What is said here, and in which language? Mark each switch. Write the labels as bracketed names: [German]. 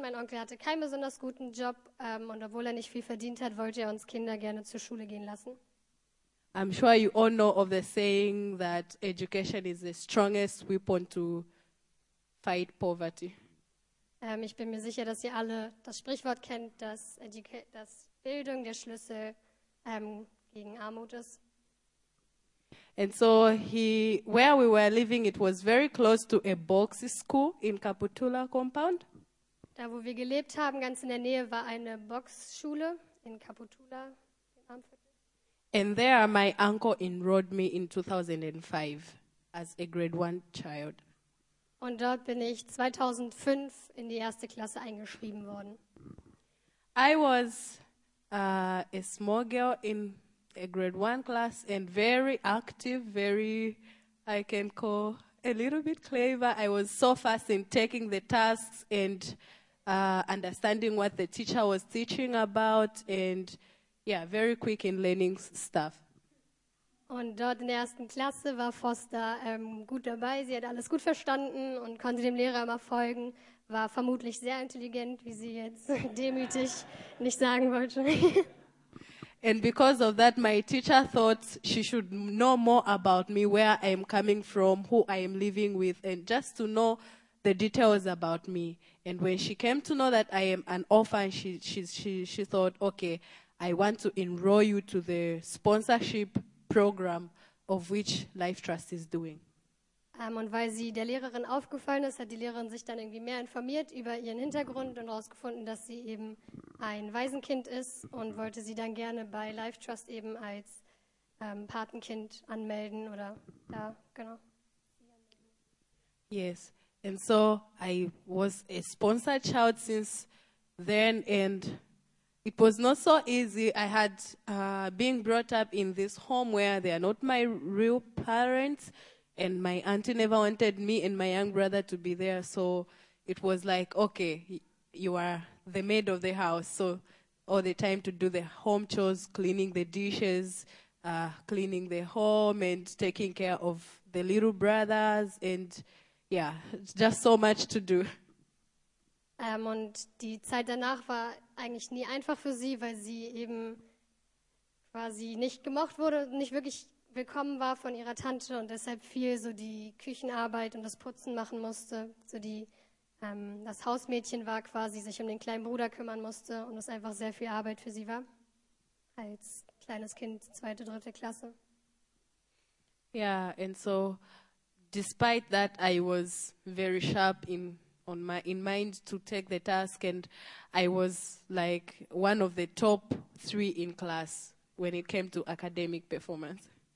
[German] Mein Onkel hatte keinen besonders guten Job und obwohl er nicht viel verdient hat, wollte er uns Kinder gerne zur Schule gehen lassen. [English] I'm sure you all know of the saying that education is the strongest weapon to fight poverty. [German] Ich bin mir sicher, dass ihr alle das Sprichwort kennt, dass Bildung der Schlüssel gegen Armut ist. [English] And so where we were living, it was very close to a boxing school in Kaputula compound. [German] Da, wo wir gelebt haben, ganz in der Nähe, war eine Boxschule in Kaputula. [English] And there my uncle enrolled me in 2005 as a grade 1 child. [German] Und dort bin ich 2005 in die erste Klasse eingeschrieben worden. [English] I was a small girl in a grade 1 class and very active, very, I can call a little bit clever. I was so fast in taking the tasks and understanding what the teacher was teaching about and yeah, very quick in learning stuff. [German] Und dort in der ersten Klasse war Foster gut dabei. Sie hat alles gut verstanden und konnte dem Lehrer immer folgen. War vermutlich sehr intelligent, wie sie jetzt demütig nicht sagen wollte. [English] And because of that, my teacher thought she should know more about me, where I am coming from, who I am living with, and just to know the details about me. And when she came to know that I am an orphan, she thought, okay, I want to enroll you to the sponsorship program of which Life Trust is doing. [German] Und weil sie der Lehrerin aufgefallen ist, hat die Lehrerin sich dann irgendwie mehr informiert über ihren Hintergrund und herausgefunden, dass sie eben ein Waisenkind ist und wollte sie dann gerne bei Life Trust eben als Patenkind anmelden oder da, genau. [English] Yes, and so I was a sponsored child since then and it was not so easy. I had been brought up in this home where they are not my real parents and my auntie never wanted me and my young brother to be there. So it was like, okay, you are the maid of the house. So all the time to do the home chores, cleaning the dishes, cleaning the home and taking care of the little brothers. And yeah, just so much to do. [German] Und die Zeit danach war eigentlich nie einfach für sie, weil sie eben quasi nicht gemocht wurde, nicht wirklich willkommen war von ihrer Tante und deshalb viel so die Küchenarbeit und das Putzen machen musste, so die das Hausmädchen war quasi, sich um den kleinen Bruder kümmern musste und es einfach sehr viel Arbeit für sie war, als kleines Kind, zweite, dritte Klasse. [English] Ja, yeah, and so despite that I was very sharp in mind to take the task and I was like one of the top three in class when it came to academic performance.